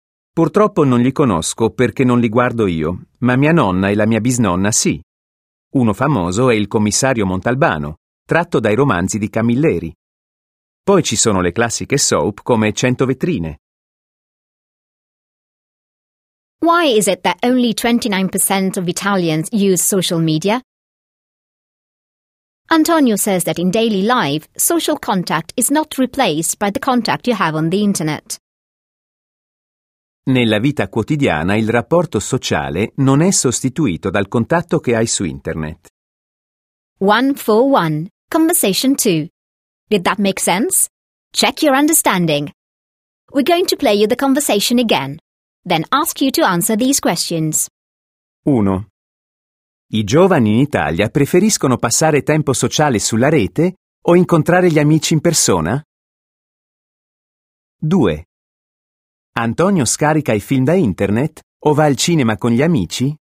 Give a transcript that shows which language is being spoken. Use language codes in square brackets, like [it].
[it] Purtroppo non li conosco perché non li guardo io, ma mia nonna e la mia bisnonna sì. Uno famoso è il commissario Montalbano, tratto dai romanzi di Camilleri. Poi ci sono le classiche soap come 100 vetrine. [en] Why is it that only 29% of Italians use social media? Antonio says that in daily life, social contact is not replaced by the contact you have on the internet. [it] Nella vita quotidiana, il rapporto sociale non è sostituito dal contatto che hai su internet. [en] 1-4-1. Conversation 2. Did that make sense? Check your understanding. We're going to play you the conversation again. Then ask you to answer these questions. 1. [it] I giovani in Italia preferiscono passare tempo sociale sulla rete o incontrare gli amici in persona? 2. Antonio scarica i film da internet o va al cinema con gli amici?